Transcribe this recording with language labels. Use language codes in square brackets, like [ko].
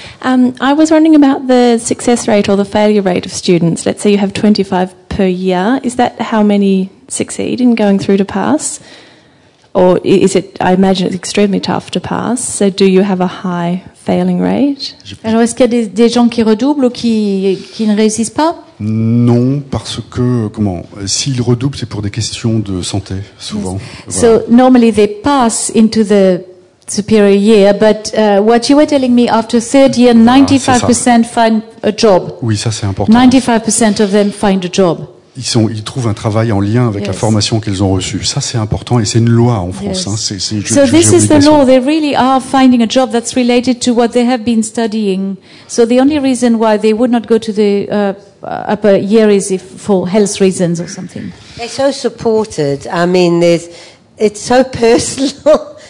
[en] I was wondering about the success rate or the failure rate of students. Let's say you have 25 per year. Is that how many succeed in going through to pass? Or is it, I imagine it's extremely tough to pass. So do you have a high failing rate? [fr] Alors, est-ce qu'il y a des gens qui redoublent ou qui ne réussissent pas? Non, parce que, s'ils redoublent, c'est pour des questions de santé, souvent. Yes. Voilà. [en] So normally they pass into the superior year, but what you were telling me, after third year, 95% find a job. [fr] Oui, ça c'est important. [en] 95% of them find a job. [fr] Ils trouvent un travail en lien avec la formation qu'ils ont reçue. Ça c'est important et c'est une loi en France. Hein. [en] This is the law. They really are finding a job that's related to what they have been studying. So the only reason why they would not go to the upper year is if for health reasons or something. They're so supported. I mean, it's so personal.